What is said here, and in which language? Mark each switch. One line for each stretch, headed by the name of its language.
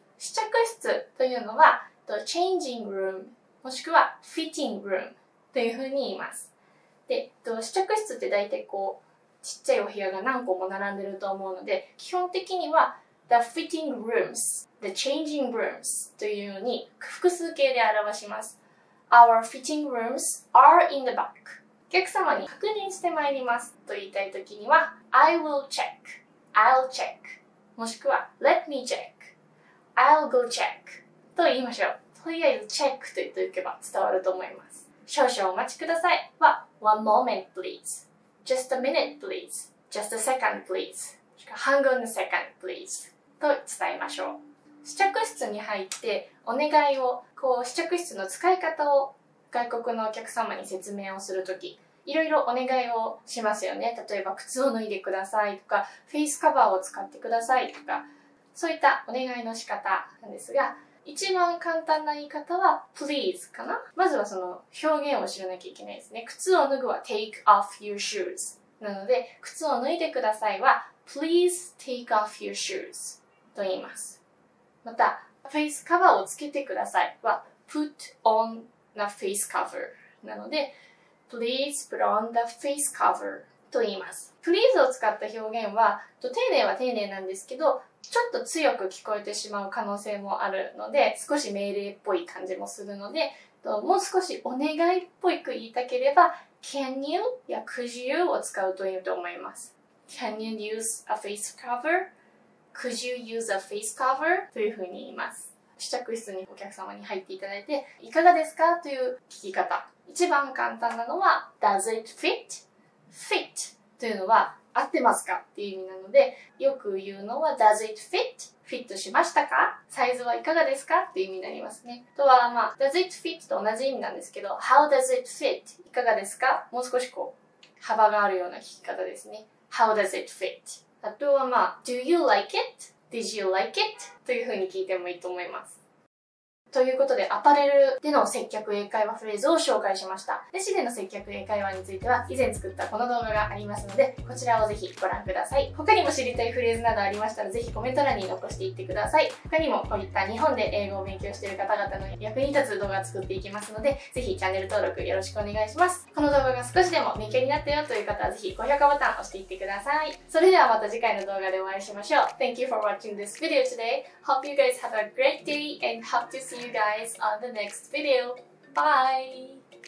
Japanese: 試着室というのは Changing room もしくは Fitting room というふうに言います。で、試着室って大体こうちっちゃいお部屋が何個も並んでると思うので、基本的には The fitting rooms、 The changing rooms というように複数形で表します。
English: Our fitting rooms are in the back
Japanese: お客様に確認してまいりますと言いたいときには
English: I will check、 I'll check、
Japanese: もしくは
English: Let me check、 I'll go check
Japanese: と言いましょう。とりあえず check と言っておけば伝わると思います。少々お待ちくださいは
English: One moment please、 Just a minute please、 Just a second please、 Hang on a second please
Japanese: と伝えましょう。試着室に入ってお願いを、こう試着室の使い方を外国のお客様に説明をするとき、いろいろお願いをしますよね。例えば靴を脱いでくださいとか、フェイスカバーを使ってくださいとか、そういったお願いの仕方なんですが、一番簡単な言い方は please かな。まずはその表現を知らなきゃいけないですね。靴を脱ぐは
English: take off your shoes
Japanese: なので、靴を脱いでくださいは
English: please take off your shoes
Japanese: と言います。またフェイスカバーをつけてくださいは
English: put onThe face cover
Japanese: なので
English: Please put on the face cover
Japanese: と言います。 Please を使った表現は、と丁寧は丁寧なんですけど、ちょっと強く聞こえてしまう可能性もあるので、少し命令っぽい感じもするので、ともう少しお願いっぽく言いたければ Can you や Could you を使うといいと思います。
English: Can you use a face cover? Could you use a face cover?
Japanese: というふうに言います。試着室にお客様に入っていただいて、いかがですかという聞き方、一番簡単なのは
English: Does it fit?
Japanese: Fit というのは合ってますかっていう意味なので、よく言うのは
English: Does it fit?
Japanese: Fit しましたか、サイズはいかがですかっていう意味になりますね。あとは、まあ、
English: Does it fit?
Japanese: と同じ意味なんですけど
English: How does it fit?
Japanese: いかがですか、もう少しこう幅があるような聞き方ですね。
English: How does it fit?
Japanese: あとは、まあ、
English: Do you like it?Did you like it?
Japanese: というふうに聞いてもいいと思います。ということで、アパレルでの接客英会話フレーズを紹介しました。レシでの接客英会話については、以前作ったこの動画がありますので、こちらをぜひご覧ください。他にも知りたいフレーズなどありましたら、ぜひコメント欄に残していってください。他にも、こういった日本で英語を勉強している方々の役に立つ動画を作っていきますので、ぜひチャンネル登録よろしくお願いします。この動画が少しでも勉強になったよという方は、ぜひ高評価ボタンを押していってください。それではまた次回の動画でお会いしましょう。
English: Thank you for watching this video today. Hope you guys have a great day and hope to see you guys on the next video. Bye!